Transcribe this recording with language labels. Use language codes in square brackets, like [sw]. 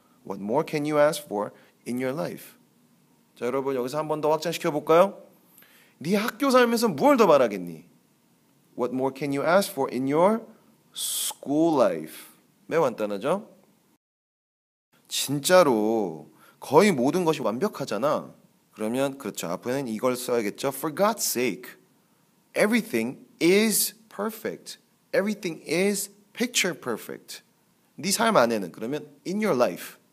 [en] What more can you ask for in your life? [ko] 자, 여러분 여기서 한 번 더 확장시켜볼까요? 네 학교 삶에서 무얼 더 바라겠니? [en] What more can you ask for in your school life? [ko] 매우 간단하죠? 진짜로 거의 모든 것이 완벽하잖아. 그러면 그렇죠. 앞에는 이걸 써야겠죠. [en] For God's sake, everything is perfect. Everything is picture perfect. [ko] 네 삶 안에는 그러면 [en] in your life.